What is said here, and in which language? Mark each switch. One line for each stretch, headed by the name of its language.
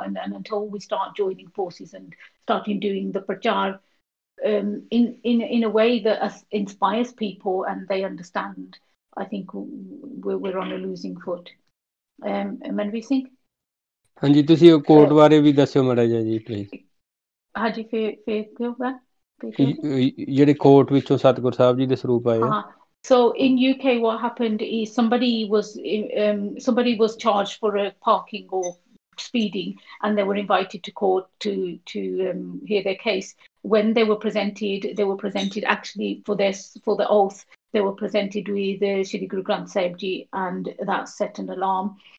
English: And until we start joining forces and starting doing the prachar in a way that inspires people and they understand, I think we're on a losing foot. Manveer Singh? Hanji, you can tell us about the court, Maharaja ji, please.
Punjabi: Hanji, ਜਿਹੜੇ court ਵਿੱਚੋਂ ਸਤਿਗੁਰ ਸਾਹਿਬ ਜੀ ਦੇ ਸਰੂਪ ਆਏ ਆ।
English: So in UK what happened is somebody was charged for a parking or speeding and they were invited to court to hear their case. When they were presented actually for the oath, they were presented with the Shri Guru Granth Sahib Ji, and that set an alarm.